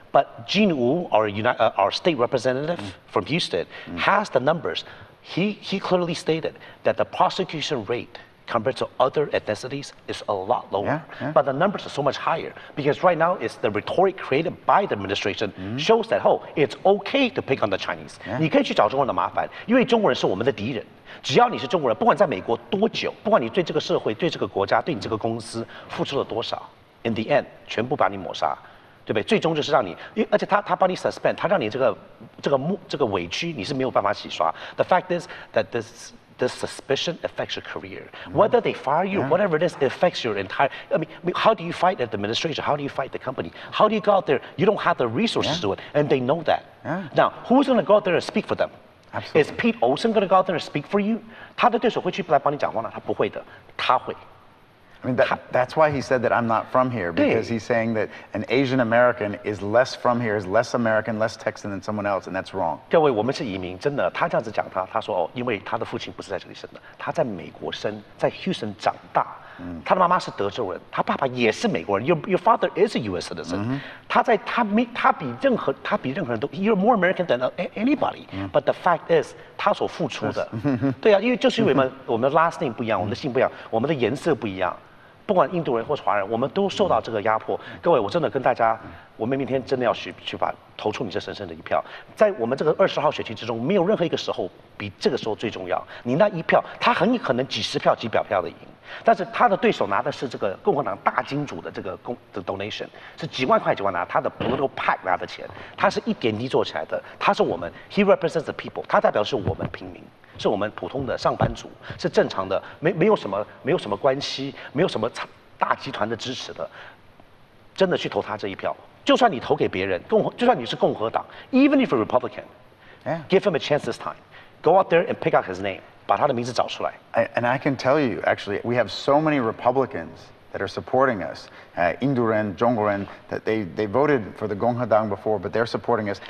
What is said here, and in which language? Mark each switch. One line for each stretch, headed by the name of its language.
English: But Jin Wu, our state representative from Houston, has the numbers. He clearly stated that the prosecution rate compared to other ethnicities, is a lot lower. Yeah, yeah. But the numbers are so much higher because right now it's the rhetoric created by the administration shows that, oh, it's okay to pick on the Chinese. Yeah.
Chinese: 你可以去找中国人的麻烦，因为中国人是我们的敌人。只要你是中国人，不管在美国多久，不管你对这个社会、对这个国家、对你这个公司付出了多少 ，
English: in the end，
Chinese: 全部把你抹杀。对不对？最终就是让你，而且他把你 suspend， 他让你这个委屈你是没有办法洗刷。
English: The fact is that this suspicion affects your career. Whether they fire you, whatever it is, it affects your entire. I mean, how do you fight at the administration? How do you fight the company? How do you go out there? You don't have the resources to do it, and they know that. Yeah. Now, who's going to go out there and speak for them? Absolutely. Is Pete Olson going to go out there and speak for you?
Chinese: 他的对手会去来帮你讲话吗？他不会的，他会。
English: I mean, that's why he said that I'm not from here, because he's saying that an Asian American is less from here, is less American, less Texan than someone else, and that's wrong.
Chinese: 各位，我们是移民，真的。他这样子讲他说哦，因为他的父亲不是在这里生的，他在美国生，在 Houston 长大。他的妈妈是德州人，他爸爸也是美国人。
English: Your father is a U.S. citizen.
Chinese: 他比任何人都
English: you're more American than anybody. But the fact is,
Chinese: 他所付出的，对啊，因为就是因为我们的 last name 不一样，我们的姓不一样，我们的颜色不一样。不管印度人或是华人，我们都受到这个压迫。各位，我真的跟大家，我们明天真的要去把投出你这神圣的一票。在我们这个20号选区之中，没有任何一个时候比这个时候最重要。你那一票，他很可能几十票、几百票的赢，但是他的对手拿的是这个共和党大金主的这个donation， 是几万块几万拿，他的 political pack 拿的钱，他是一点滴做起来的。他是我们 ，
English: he represents the people，
Chinese: 他代表是我们平民。是我们普通的上班族，是正常的，没有什么关系，没有什么大集团的支持的，真的去投他这一票。就算你投给别人，就算你是共和党
English: ，even if you're Republican，give him a chance this time，go out there and pick out his name。
Chinese: 把他的名字找出来。
English: And I can tell you, actually, we have so many Republicans that are supporting us, Indoren, Zhongren, that they voted for the Gong Hedang before, but they're supporting us.